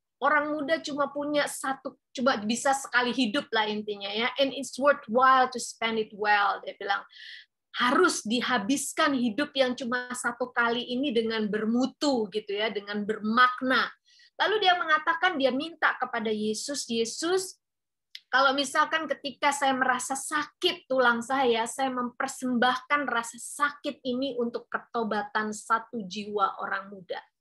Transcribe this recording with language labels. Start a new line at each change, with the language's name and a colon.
Indonesian: Orang muda cuma punya satu, cuma bisa sekali hidup lah intinya ya.
English: And it's worthwhile to spend it well,
Indonesian: dia bilang. Harus dihabiskan hidup yang cuma satu kali ini dengan bermutu gitu ya, dengan bermakna. Lalu dia mengatakan, dia minta kepada Yesus, Yesus, kalau misalkan ketika saya merasa sakit tulang saya mempersembahkan rasa sakit ini untuk pertobatan satu jiwa orang muda.